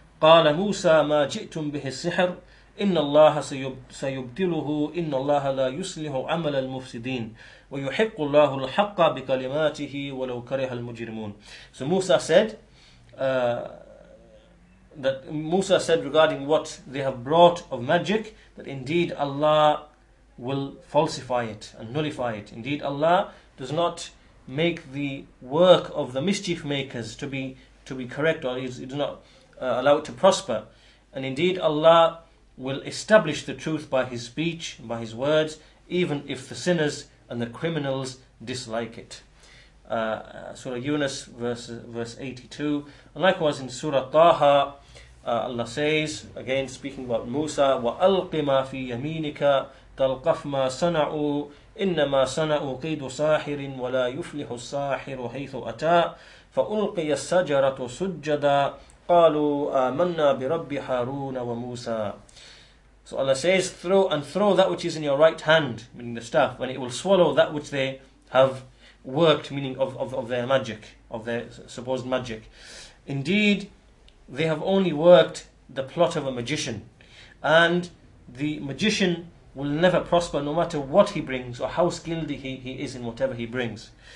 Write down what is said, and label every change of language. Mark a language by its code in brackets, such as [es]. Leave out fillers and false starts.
[ar] قال موسى ما جئتم به السحر إن الله سيبطله إن الله لا يصلح عمل المفسدين ويحق الله الحق بكلماته ولو كره المجرمون. [en] So Musa said that Musa said regarding what they have brought of magic, that indeed Allah will falsify it and nullify it. Indeed Allah does not make the work of the mischief makers to be correct, or he does not allow it to prosper. And indeed Allah will establish the truth by his speech, by his words, even if the sinners and the criminals dislike it. Surah Yunus, verse 82. And likewise in Surah Taha, Allah says, again speaking about Musa, [ar] وَأَلْقِ مَا فِي يَمِينِكَ تَلْقَفْ مَا صَنَعُوا إِنَّمَا صَنَعُوا قِيدُ سَاحِرٍ وَلَا يُفْلِحُ السَّاحِرُ حَيْثُ أَتَى فَأُلْقِيَ السَّجَرَةُ سُجَّدًا قَالُوا آمَنَّا بِرَبِّ حَارُونَ وَمُوسَى. [en] So Allah says, throw that which is in your right hand, meaning the staff, when it will swallow that which they have worked, meaning of their magic, of their supposed magic. Indeed, they have only worked the plot of a magician, and the magician will never prosper no matter what he brings or how skilled he is in whatever he brings.